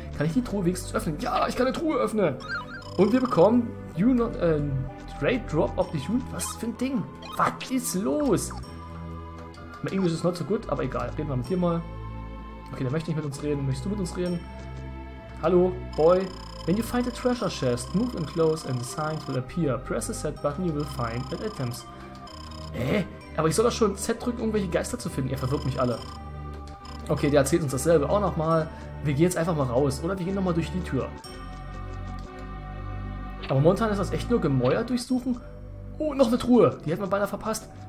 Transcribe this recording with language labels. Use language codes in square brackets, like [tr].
[de] Kann ich die Truhe wenigstens öffnen? Ja, ich kann die Truhe öffnen! Und wir bekommen Trade Drop of the Unit. Was für ein Ding? Was ist los? Mein Englisch ist not so gut, aber egal. Reden wir mit dir mal. Okay, der möchte nicht mit uns reden. Möchtest du mit uns reden? Hallo, Boy. [en] When you find a treasure chest, move in close and the signs will appear. Press the set button, you will find the items. Hä? [de] Aber ich soll doch schon Z drücken, irgendwelche Geister zu finden. Ihr verwirrt mich alle. Okay, der erzählt uns dasselbe auch nochmal. Wir gehen jetzt einfach mal raus. Oder wir gehen nochmal durch die Tür. Aber momentan ist das echt nur Gemäuer durchsuchen. Oh, noch eine Truhe. Die hätten wir beinahe verpasst.